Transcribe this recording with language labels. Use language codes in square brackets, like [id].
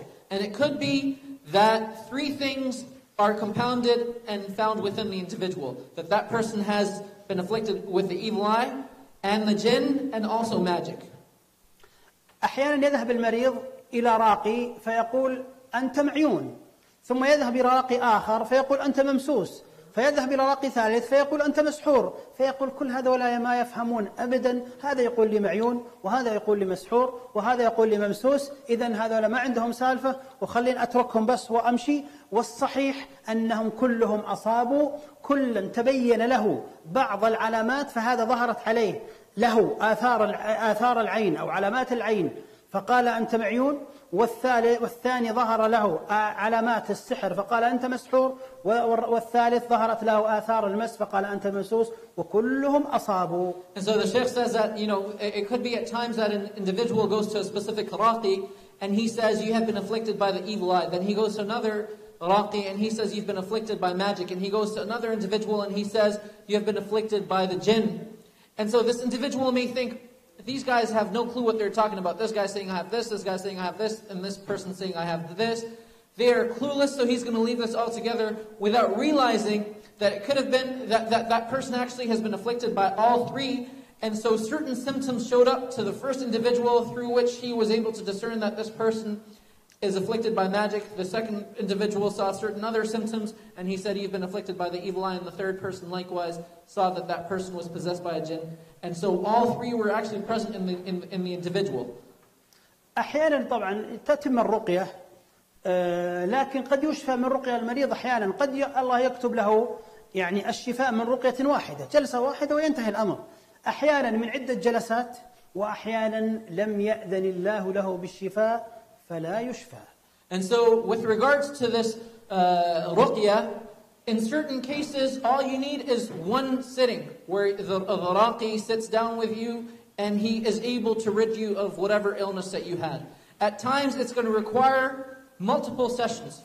[en] And it could be that three things are compounded and found within the individual. That person has been afflicted with the evil eye and the jinn and also magic. [ar] أحيانا يذهب المريض إلى راقي فيقول أنت معيون ثم يذهب إلى راقي آخر فيقول أنت ممسوس فيذهب إلى راقي ثالث فيقول أنت مسحور فيقول كل هذا ولا ما يفهمون أبدا هذا يقول لي معيون وهذا يقول لي مسحور وهذا يقول لي ممسوس إذن هذا ولا ما عندهم سالفة وخلين أتركهم بس وأمشي والصحيح أنهم كلهم أصابوا كلا تبين له بعض العلامات فهذا ظهرت عليه له آثار العين أو علامات العين فقال أنت معيون والثاني ظهر له علامات السحر فقال أنت مسحور والثالث ظهرت له آثار المس فقال أنت ممسوس وكلهم أصابوا. [en] And so the sheikh says that it could be at times that an individual goes to a specific raqi and he says you have been afflicted by the evil eye. Then he goes to another raqi and he says you've been afflicted by magic. And he goes to another individual and he says you have been afflicted by the jinn. And so this individual may think these guys have no clue what they're talking about. This guy's saying, I have this. This guy's saying, I have this. And this person's saying, I have this. They are clueless, so he's going to leave this all together without realizing that it could have been that person actually has been afflicted by all three. And so certain symptoms showed up to the first individual through which he was able to discern that this person is afflicted by magic. The second individual saw certain other symptoms, and he said he had been afflicted by the evil eye. And the third person likewise saw that that person was possessed by a jinn. And so all three were actually present in the individual. [ar] أحيانا طبعا تتم الرقية لكن قد يشفى من رقية المريض أحيانا قد الله يكتب له يعني الشفاء من رقية واحدة جلسة واحدة وينتهي الأمر أحيانا من عدة جلسات وأحيانا لم يأذن الله له بالشفاء فلا يشفى. [en] And so with regards to this رقية, in certain cases, all you need is one sitting where the raqi sits down with you and he is able to rid you of whatever illness that you had. At times, it's going to require multiple sessions.